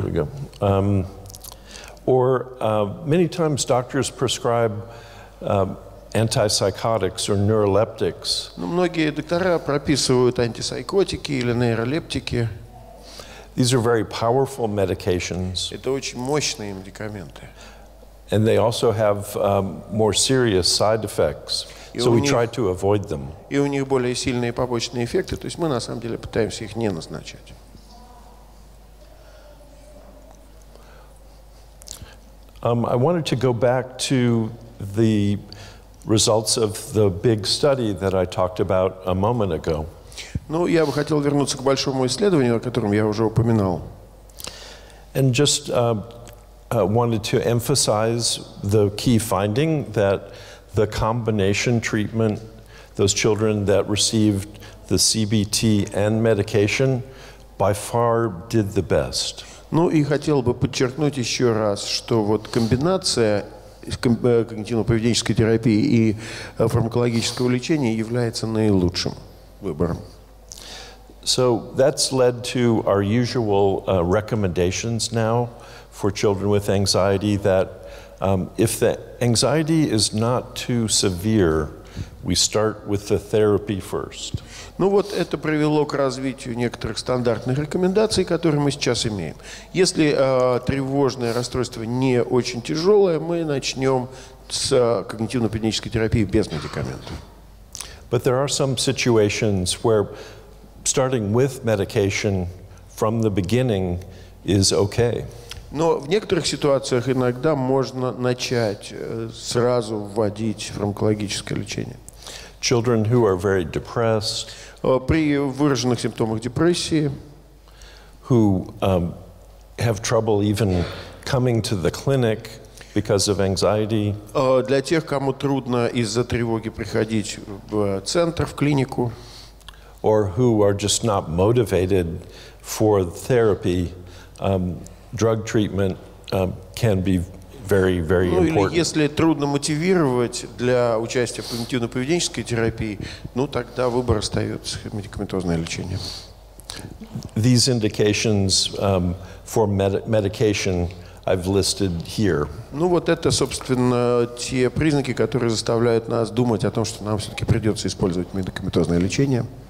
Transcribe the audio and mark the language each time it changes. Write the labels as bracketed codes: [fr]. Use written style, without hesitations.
[en] There we go. Many times doctors prescribe antipsychotics or neuroleptics. [ru] Ну, многие доктора прописывают антипсикотики или нейролептики. [en] These are very powerful medications. [ru] Это очень мощные медикаменты. [en] And they also have more serious side effects, so we try to avoid them. [ru] И у них более сильные побочные эффекты, то есть мы на самом деле пытаемся их не назначать. [en] I wanted to go back to the results of the big study that I talked about a moment ago. [ru] Ну, я бы хотел вернуться к большому исследованию, о котором я уже упоминал. [en] And just wanted to emphasize the key finding that the combination treatment, those children that received the CBT and medication, by far did the best. [ru] Ну и хотел бы подчеркнуть еще раз, что вот комбинация когнитивно-поведенческой терапии и фармакологического лечения является наилучшим выбором. [en] So that's led to our usual recommendations now for children with anxiety, that if the anxiety is not too severe, we start with the therapy first. [ru] Ну вот это привело к развитию некоторых стандартных рекомендаций, которые мы сейчас имеем. Если тревожное расстройство не очень тяжелое, мы начнем с когнитивно-поведенческой терапии без медикаментов. [en] But there are some situations where starting with medication from the beginning is okay. [ru] Но в некоторых ситуациях иногда можно начать сразу вводить фармакологическое лечение. [en] Children who are very depressed, [ru] при выраженных симптомах депрессии, [en] who have trouble even coming to the clinic because of anxiety, [ru] для тех, кому трудно из-за тревоги приходить в центр, в клинику, [en] or who are just not motivated for therapy, drug treatment can be very, very important. [ru] Ну, или если трудно мотивировать для участия в когнитивно-поведенческой терапии, ну, тогда выбор остается медикаментозное лечение. [en] These indications for medication I've listed here. [ru] Ну, вот это, собственно, те признаки, которые заставляют нас думать о том, что нам все-таки придется использовать медикаментозное лечение.